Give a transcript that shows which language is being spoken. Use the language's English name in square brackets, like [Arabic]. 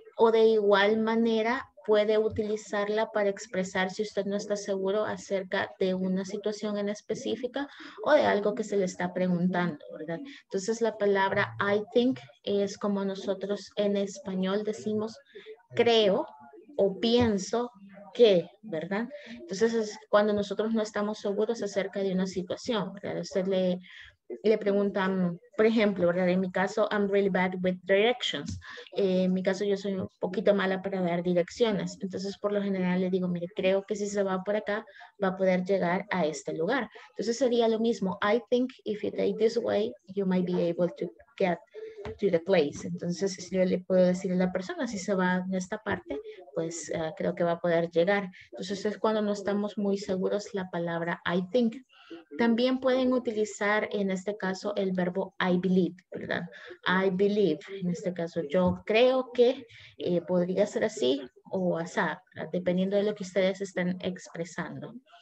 [Spanish] O de igual manera puede utilizarla para expresar si usted no está seguro acerca de una situación en específica o de algo que se le está preguntando, ¿verdad? Entonces la palabra I think es como nosotros en español decimos creo o pienso que, ¿verdad? Entonces es cuando nosotros no estamos seguros acerca de una situación, ¿verdad? Usted le preguntan, por ejemplo, ¿verdad? En mi caso, [English] I'm really bad with directions. [Spanish] En mi caso, yo soy un poquito mala para dar direcciones. Entonces, por lo general, le digo, mire, creo que si se va por acá, va a poder llegar a este lugar. Entonces, sería lo mismo. [English] I think if you take this way, you might be able to get to the place. [Spanish] Entonces, si yo le puedo decir a la persona, si se va en esta parte, pues creo que va a poder llegar. Entonces, es cuando no estamos muy seguros la palabra I think. También pueden utilizar en este caso el verbo I believe, ¿verdad? I believe, en este caso yo creo que podría ser así o asá, dependiendo de lo que ustedes estén expresando.